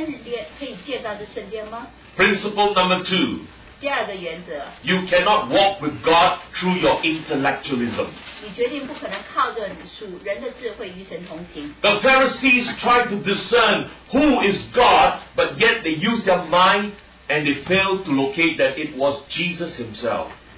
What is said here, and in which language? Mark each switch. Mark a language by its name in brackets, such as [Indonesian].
[Chinese] 所以有智慧的，有这个世界智慧的人，他们在说，在三日间可以建造这圣殿吗？ [English] Principle number 2. [Chinese] 第二个原则, [English] you cannot walk with God through your intellectualism. [Chinese] 你决定不可能靠着人的智慧与神同行。 [English] The Pharisees tried to discern who is God, but yet they used their mind and they failed to locate that it was Jesus himself.